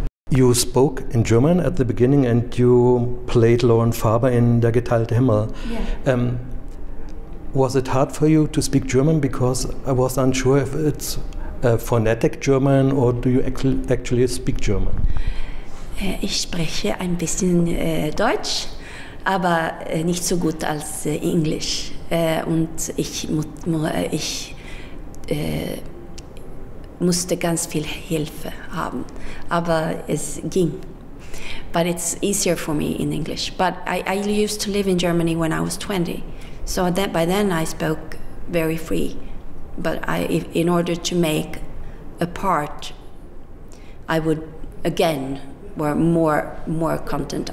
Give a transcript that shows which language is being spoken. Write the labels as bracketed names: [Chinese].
[English] You spoke in German at the beginning, and you played Lauren Faber in Der geteilte Himmel. Yeah. Was it hard for you to speak German? Because I was unsure if it's a phonetic German, or do you actually speak German? [German] Ich spreche ein bisschen Deutsch, aber nicht so gut als Englisch. Und ich musste ganz viel Hilfe haben, aber es ging. [English] But it's easier for me in English. But I used to live in Germany when I was 20, so that by then I spoke very free. But in order to make a part, I would again were more content.